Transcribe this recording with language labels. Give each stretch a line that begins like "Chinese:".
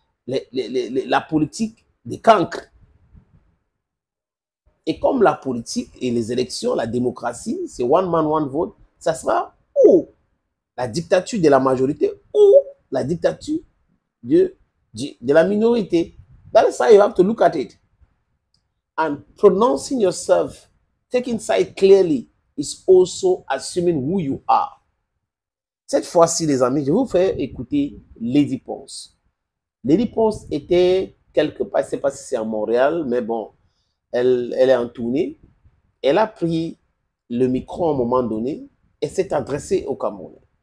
French: La politique des cancres. Et comme la politique et les élections, la démocratie, c'est
English: one man, one vote,
French: ça sera ou la dictature de la majorité ou la dictature de la minorité.
English: That is how you have to look at it. And pronouncing yourself, taking side clearly, is also assuming who you are.
French: Cette fois-ci, les amis, je vais vous faire écouter Lady Ponce. Lady Ponce était quelque part, je ne sais pas si c'est à Montréal, mais bon, elle est en tournée. Elle a pris le micro à un moment donné et s'est adressée aux Camerounais.